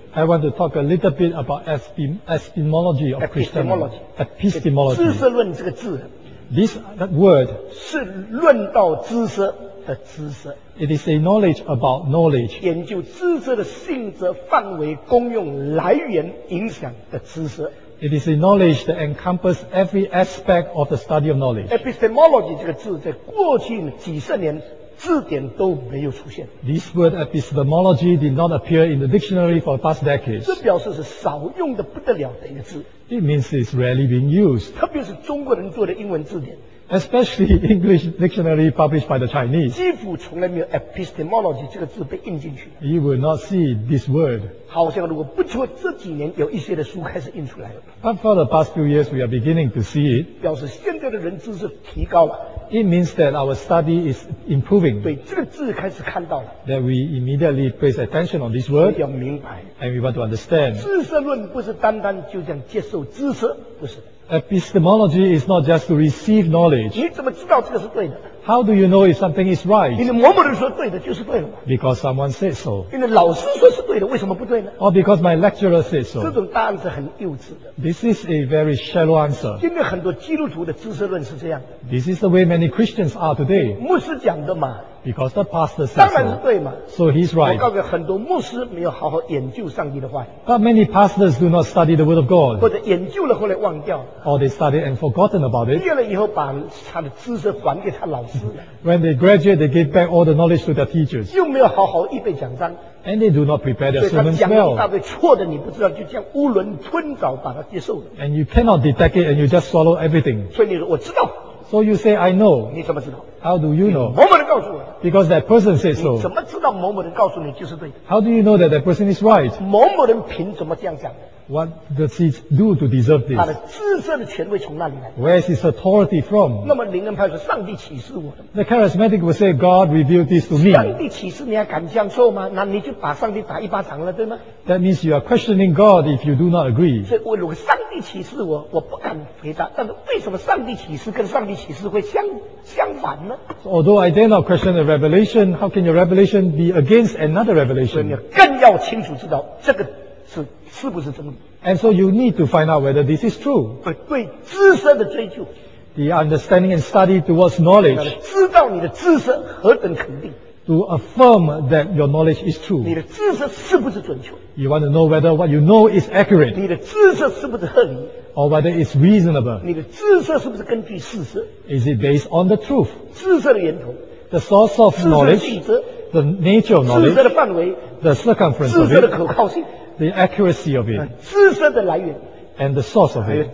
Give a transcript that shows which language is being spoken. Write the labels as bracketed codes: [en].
[en] I want to talk a little bit about epistemology of Christianity. Epistemology. [zh] 知识论这个字 [en] ，this word [zh] 是论到知识的知识。 [en] It is a knowledge about knowledge. [zh] 研究知识的性质、范围、功用、来源、影响的知识。 [en] It is a knowledge that encompasses every aspect of the study of knowledge. [zh] Epistemology 这个字在过去几十年字典都没有出现。 [en] This word epistemology did not appear in the dictionary for the past decades. [zh] 这表示是少用的不得了的一个字。 [en] It means it's rarely being used. [zh] 特别是中国人做的英文字典。 [en] Especially English dictionary published by the Chinese. [zh] 几乎从来没有 epistemology 这个字被印进去。 [en] You will not see this word. [zh] 好像如果不错，这几年有一些的书开始印出来了。 [en] But for the past few years, we are beginning to see it. [zh] 表示现在的人知识提高了。 [en] It means that our study is improving. [zh] 对这个字开始看到了。 [en] That we immediately place attention on this word. [zh] 要明白。 [en] And we want to understand. [zh] 知识论不是单单就这样接受知识，不是。 [en] Epistemology is not just to receive knowledge. [zh] 你怎么知道这个是对的？ [en] How do you know if something is right? [zh] 你某某人说对的就是对的。 [en] Because someone said so. [zh] 因为老师说是对的，为什么不对呢？ [en] Or because my lecturer said so. [zh] 这种答案是很幼稚的。 [en] This is a very shallow answer. [zh] 因为很多基督徒的知识论是这样。 [en] This is the way many Christians are today. [zh] 牧师讲的嘛。 [en] Because the pastor says so. [zh] 当然是对嘛。 [en] So he's right. [zh] 我告诉很多牧师没有好好研究上帝的话。 [en] But many pastors do not study the word of God. [zh] 或者研究了后来忘掉。 [en] Or they study and forgotten about it. [zh] 毕业了以后把他的知识还给他老师。 [en] When they graduate, they give back all the knowledge to their teachers. [zh] 又没有好好预备讲章。 [en] And they do not prepare their sermons well. [zh] 所以他讲一大堆错的，你不知道，就像囫囵吞枣把它接受了。 [en] And you cannot detect it, and you just swallow everything. [zh] 所以你说我知道。 [en] So you say I know. [zh] 你怎么知道？ [en] How do you know? [zh] 某某人告诉我。 [en] Because that person said so. [zh] 你怎么知道某某人告诉你就是对的？ [en] How do you know that that person is right? [zh] 某某人凭什么这样讲的？ [en] What does he do to deserve this? [zh] 他的知识的权威从哪里来？ [en] Where is his authority from? [zh] 那么灵恩派说上帝启示我的。 [en] The charismatic will say God revealed this to me. [zh] 上帝启示你还敢这样做吗？那你就把上帝打一巴掌了，对吗？ [en] That means you are questioning God if you do not agree. [zh] 所以我如果上帝启示我，我不敢回答。但是为什么上帝启示跟上帝启示会相反呢？ [en] So although I dare not question the revelation, how can your revelation be against another revelation? [zh] 所以你更要清楚知道这个是不是真理。 [en] And so you need to find out whether this is true. [zh] 对知识的追求。 [en] The understanding and study towards knowledge. [zh] 知道你的知识何等肯定。 [en] To affirm that your knowledge is true. [zh] 你的知识是不是准确。 [en] You want to know whether what you know is accurate. [zh] 你的知识是不是合理。 [en] Or whether it's reasonable. [zh] 你的知识是不是根据事实。 [en] Is it based on the truth? [zh] 知识的源头。 [en] The source of knowledge. [zh] 知识的性 [en] 质。The nature of knowledge. [zh] 知识的范围。 [en] The circumference of it. [zh] 知识的可靠性。 [en] The accuracy of it. [zh] 知识的来源。 [en] And the source of it.